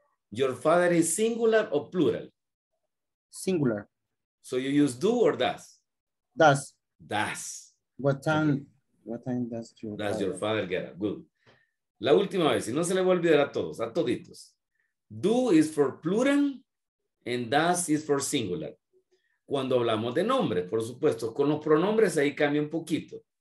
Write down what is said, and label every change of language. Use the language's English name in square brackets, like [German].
[English] Your father is singular or plural? Singular. So you use do or does? Does. Does. What time? Okay. What time does your does father? Your father get up? Good. [Spanish] La última vez, y no se le va a olvidar a todos, a toditos. [English] Do is for plural and does is for singular. [Spanish] Cuando hablamos de nombres, por supuesto, con los pronombres ahí cambia un poquito.